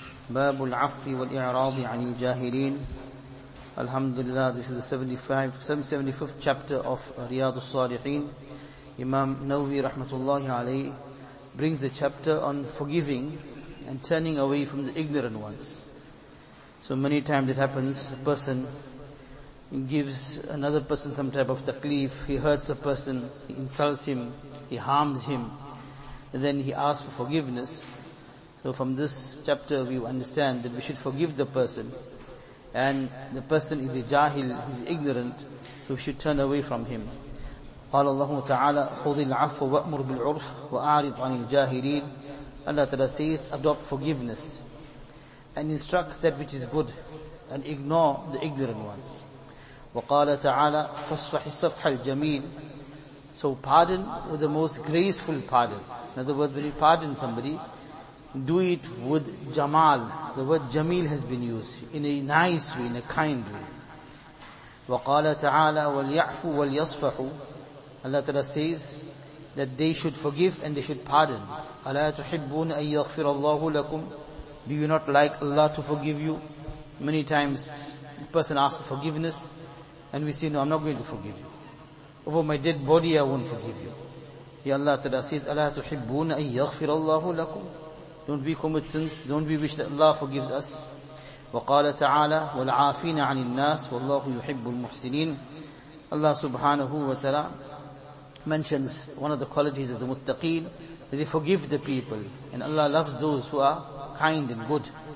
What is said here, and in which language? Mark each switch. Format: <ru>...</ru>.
<ar>باب العفو والإعراض عن الجاهلين. الحمد لله.</ar> <en>This is the 75th chapter of رياض الصالحين. Imam Nawawi rahmatullahi alayhi brings a chapter on forgiving and turning away from the ignorant ones. So many times it happens, a person gives another person some type of taklif, he hurts a person, he insults him, he harms him, and then he asks for forgiveness. So from this chapter we understand that we should forgive the person, and the person is a jahil, he's ignorant, so we should turn away from him.</en> <ar>قال الله تعالى خذ العفو وأمر بالعرف وأعرض عن الجاهلين.</ar> <en>Allah Ta'ala says, adopt forgiveness and instruct that which is good and ignore the ignorant ones.</en> <ar>وقال تعالى فاصفح الصفح الجميل.</ar> <en>So pardon with the most graceful pardon. In other words, when you pardon somebody, do it with jamal. The word jamil has been used in a nice way, in a kind way.</en> <ar>وقال تعالى وليعفو وليصفحوا.</ar> <en>Allah Ta'ala says that they should forgive and they should pardon.</en> <ar>أَلَا تُحِبُّونَ أَن يَغْفِرَ اللَّهُ لَكُمْ.</ar> <en>Do you not like Allah to forgive you? Many times a person asks for forgiveness and we say, no, I'm not going to forgive you. Over my dead body I won't forgive you. Ya Allah Ta'ala says,</en> <ar>أَلَا تُحِبُّونَ أَن يَغْفِرَ اللَّهُ لَكُمْ.</ar> <en>Don't we commit sins? Don't we wish that Allah forgives us?</en> <ar>وَقَالَ تَعَالَى وَالْعَافِينَ عَنِ النَّاسِ وَاللَّهُ يُحِبُّ الْمُحْسِنِينَ.</ar> <en>Allah Subhanahu wa Ta'ala mentions one of the qualities of the muttaqeen, that they forgive the people, and Allah loves those who are kind and good.</en>